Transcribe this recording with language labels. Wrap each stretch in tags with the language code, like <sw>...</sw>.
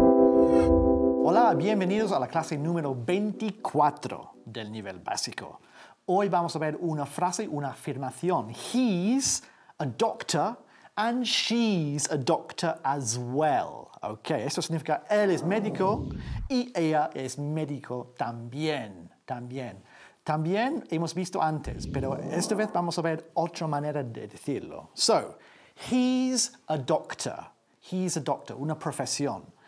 <es>Hola, bienvenidos a la clase número 24 del nivel básico. Hoy vamos a ver una frase, una afirmación.</es> <en>He's a doctor and she's a doctor as well.</en> <es>Okay, esto significa él es médico y ella es médico también, también. También hemos visto antes, pero esta vez vamos a ver otra manera de decirlo.</es> <en>So, he's a doctor. He's a doctor,</en> <es>una profesión.</es>